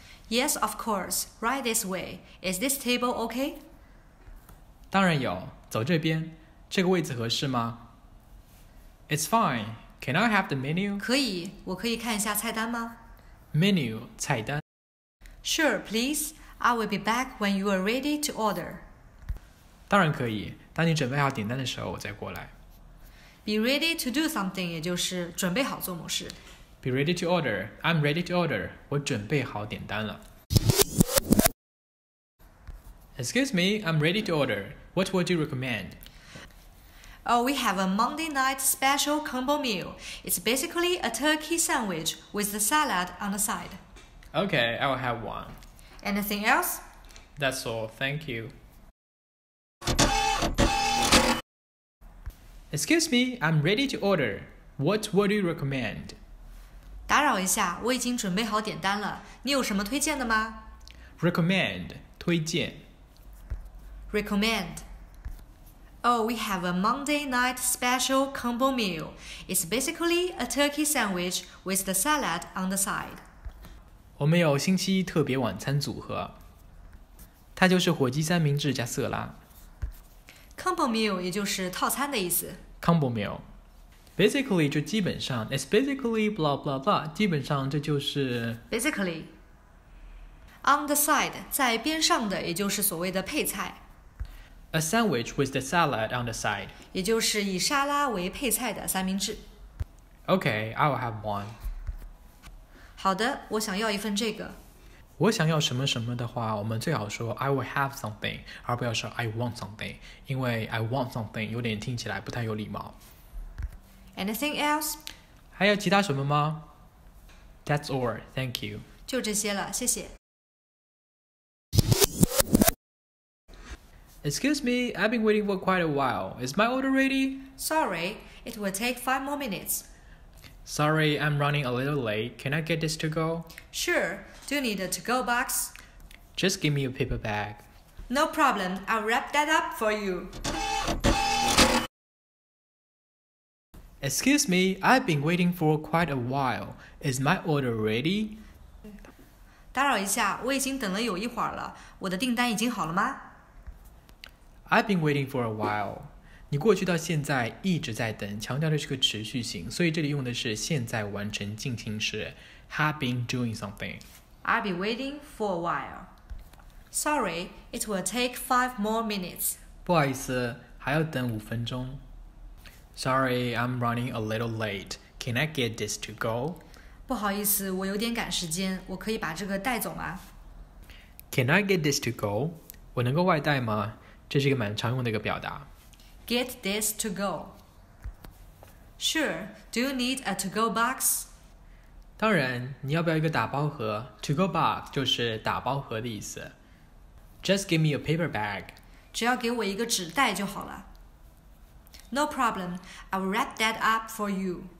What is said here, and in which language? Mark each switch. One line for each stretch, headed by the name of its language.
English: Yes, of course. Right this way. Is this table okay?
Chinese: 当然有。走这边，这个位置合适吗？
English: It's fine. Can I have the menu?
Chinese: 可以，我可以看一下菜单吗？
English: Menu, 菜单。 Sure, please. I will be back when you are ready to order.
Chinese: 当然可以，当你准备好点单的时候我再过来。
English: Be ready to do something,
Chinese: 也就是准备好做某事。
English: Be ready to order. I'm ready to order.
Chinese: 我准备好点单了。
English: Excuse me, I'm ready to order. What would you recommend? Oh, we have a Monday night special combo meal. It's basically a turkey sandwich with the salad on the side. Okay, I'll have one. Anything else? That's all, thank you. Excuse me, I'm ready to order. What would you recommend?
Chinese: 打扰一下，我已经准备好点单了。你有什么推荐的吗？
English: Recommend, 推荐。 Recommend. Oh, we have a Monday night special combo meal. It's basically a turkey sandwich with the salad on the side.
Chinese: 我们有星期一特别晚餐组合，它就是火鸡三明治加色拉。 Combo meal 也就是套餐的意思。
English: Combo meal. Basically
Chinese: 就基本上
English: ，it's basically blah blah blah.
Chinese: 基本上这就是。 Basically.
English: On the side
Chinese: 在边上的，也就是所谓的配菜。
English: A sandwich with the salad on the side.
Chinese: 也就是以沙拉为配菜的三明治。
English: Okay, I'll have one.
Chinese: 好的，我想要一份这个。我想要什么什么的话，我们最好说
English: I will have something,
Chinese: 而不要说
English: I want something,
Chinese: 因为
English: I want something
Chinese: 有点听起来不太有礼貌。
English: Anything else?
Chinese: 还有其他什么吗？
English: That's all, thank you.
Chinese: 就这些了，谢谢。
English: Excuse me, I've been waiting for quite a while. Is my order ready? Sorry, it will take 5 more minutes. Sorry, I'm running a little late. Can I get this to go? Sure, do you need a to-go box? Just give me a paper bag. No problem, I'll wrap that up for you. Excuse me, I've been waiting for quite a while. Is my order ready?
Chinese: 打扰一下，我已经等了有一会儿了。我的订单已经好了吗？
English: I've been waiting for a while.
Chinese: 你过去到现在一直在等，强调的是个持续性，所以这里用的是现在完成进行时
English: have been doing something. I've been waiting for a while. Sorry, it will take 5 more minutes.
Chinese: 不好意思，还要等5分钟。
English: Sorry, I'm running a little late. Can I get this to go?
Chinese: 不好意思，我有点赶时间，我可以把这个带走吗？
English: Can I get this to go?
Chinese: 我能够外带吗？这是一个蛮常用的一个表达。
English: Get this to go. Sure, do you need a to-go box?
Chinese: 当然，你要不要一个打包盒？
English: To-go box
Chinese: 就是打包盒的意思。
English: Just give me a paper bag.
Chinese: 只要给我一个纸袋就好了。
English: No problem, I'll wrap that up for you.